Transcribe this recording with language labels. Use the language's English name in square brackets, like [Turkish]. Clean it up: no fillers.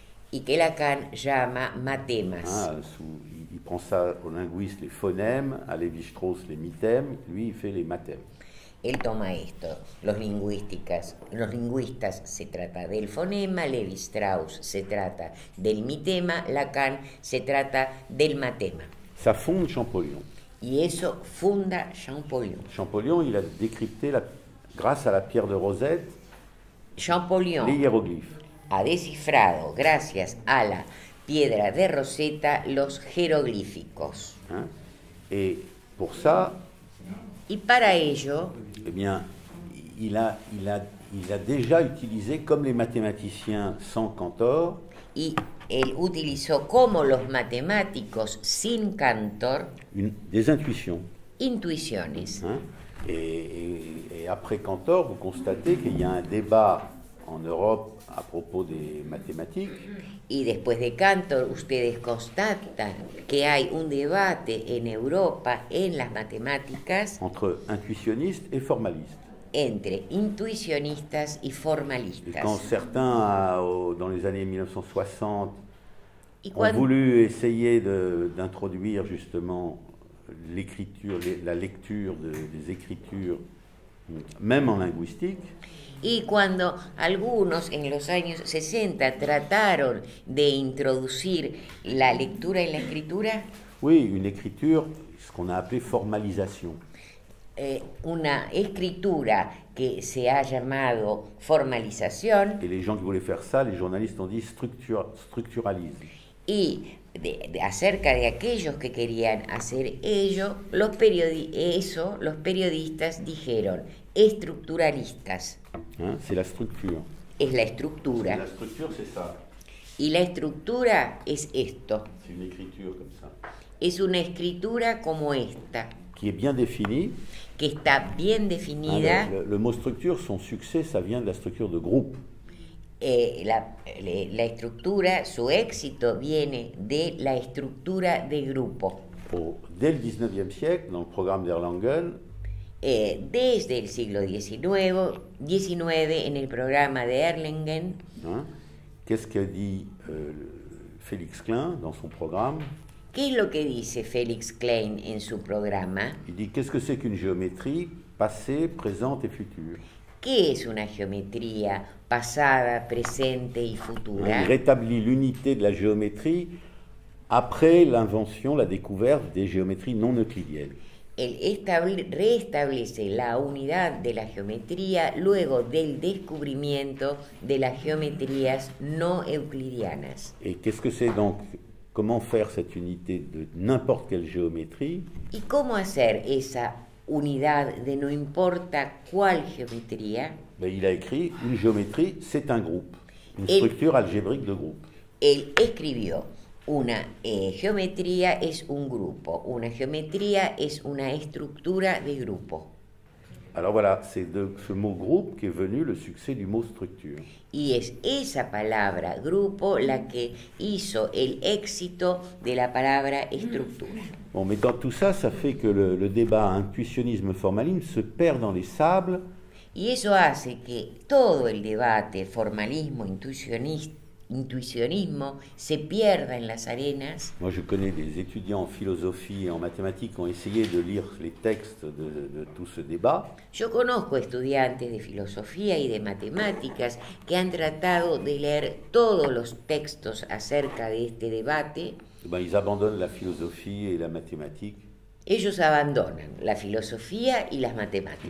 [Spanish] Y que Lacan llama matemas. [French] Ah, il prend ça au linguiste les phonèmes, à Lévi-Strauss les mitèmes, lui il fait les mathèmes. [Spanish] Él toma esto, los lingüistas se trata del fonema, Lévi-Strauss se trata del mitema, Lacan se trata del matema. [French] Ça fonde Champollion. [Spanish] Y eso funda Champollion. [French] Champollion, il a décrypté la, grâce à la pierre de Rosette, [Spanish] Champollion [French] les hiéroglyphes. [Spanish] Ha descifrado, gracias a la piedra de Rosetta, los jeroglíficos. [French] Hein? Et pour ça, [Spanish] y para ello, [French] eh bien, il a déjà utilisé comme les mathématiciens sans Cantor. [Spanish] Y él utilizó como los matemáticos sin Cantor [French] des intuitions. Intuitions. Hein? Et après Cantor, vous constatez qu'il y a un débat en Europe à propos des mathématiques. [Spanish] Y después de Cantor, ustedes constatan que hay un debate en Europa en las matemáticas [French] entre intuitionnistes et formalistes. [Spanish] Entre intuitionistas y formalistas. [French] Et quand certains, dans les années 1960, ont voulu essayer d'introduire justement l'écriture, la lecture des écritures même en linguistique. [Spanish] Y cuando algunos en los años 60 trataron de introducir la lectura y la escritura. [French] Oui, une écriture, ce qu'on a appelé formalisation. [Spanish] Una escritura que se ha llamado formalización. [French] Et les gens qui voulaient faire ça, les journalistes ont dit structuralisme. [Spanish] Y de acerca de aquellos que querían hacer ello, los periodistas dijeron estructuralistas. [French] Hein, c'est la structure. [Spanish] Es la estructura. [French] La structure, c'est ça. [Spanish] Y la estructura es esto. [French] C'est une écriture comme ça. [Spanish] Es una escritura como esta. [French] Qui est bien définie. [Spanish] Que está bien definida. [French] Ah, le mot structure, son succès, ça vient de la structure de groupe. [Spanish] La estructura, su éxito, viene de la estructura de grupo. [French] Pour, dès le 19e siècle, dans le programme d'Erlangen, [Spanish] desde el siglo XIX, en el programa de Erlangen, [French] hein, qu'est-ce que dit Félix Klein dans son programme? [Spanish] ¿Qué es lo que dice Félix Klein en su programa? [French] Il dit, qu'est-ce que c'est qu'une géométrie passée, présente et future? [Spanish] ¿Qué es una geometría pasada, presente y futura? [French] Il rétablit l'unité de la géométrie après l'invention, la découverte des géométries non euclidiennes. [Spanish] Él restablece la unidad de la geometría luego del descubrimiento de las geometrías no euclidianas. [French] Et qu'est-ce que c'est donc? Comment faire cette unité de n'importe quelle géométrie? [Spanish] Y cómo hacer esa unidad de no importa cuál geometría? [French] Ben, il a écrit, une géométrie, c'est un groupe, une structure algébrique de groupe. [Spanish] Él escribió, una geometría es un grupo, una geometría es una estructura de grupo. [French] Alors voilà, c'est de ce mot groupe qui est venu le succès du mot structure. [Spanish] Y es esa palabra grupo la que hizo el éxito de la palabra estructura. [French] Bon, mais dans tout ça, ça fait que le débat intuitionnisme-formalisme se perd dans les sables. [Spanish] Y eso hace que todo el debate formalismo-intuitionismo se pierda en las arenas. [French] Moi, je connais des étudiants en philosophie et en mathématiques qui ont essayé de lire les textes de tout ce débat. [Spanish] Yo conozco estudiantes de filosofía y de matemáticas que han tratado de leer todos los textos acerca de este debate. [French] Ben, ils abandonnent la philosophie et la mathématique. [Spanish] Ellos abandonan la filosofía y las matemáticas.